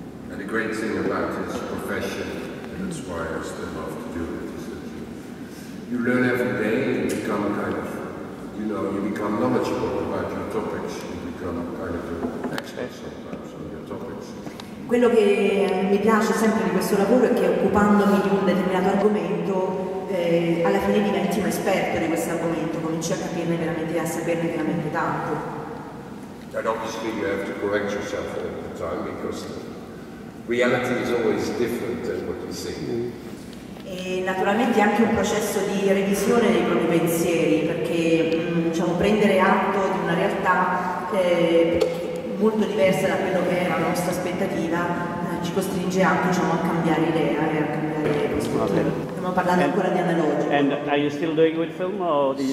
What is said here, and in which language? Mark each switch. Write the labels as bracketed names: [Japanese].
[English] And the great thing about his profession, and that's why requires a lot to do it. You learn every day and become kind of, you know, you become knowledgeable about your topics, you become kind of an expert sometimes on your topics. [Italian] Quello che mi piace sempre di questo lavoro è che occupandomi di un determinato argomento, alla fine diventi un esperto di questo argomento, cominci a capirne veramente, a saperne veramente tanto. [English] And obviously you have to correct yourself all the time because reality is always different than what you see. [Italian] E naturalmente anche un processo di revisione dei propri pensieri, perché diciamo, prendere atto di una realtà molto diversa da quello che è la nostra aspettativa ci costringe anche diciamo, a cambiare idea e a cambiare prospettiva. Stiamo parlando ancora di analogico. [English] And are you still doing with film or the